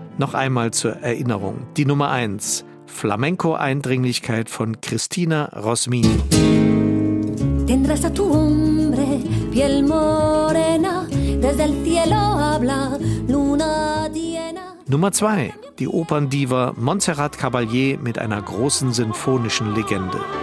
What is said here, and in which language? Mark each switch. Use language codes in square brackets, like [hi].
[de] Noch einmal zur Erinnerung. Die Nummer 1, Flamenco-Eindringlichkeit von Cristina Rosmini. [es] Tendrás a tu hombre, piel morena, desde el cielo habla luna diena. [de] Nummer 2, die Operndiva Montserrat Caballé mit einer großen sinfonischen Legende.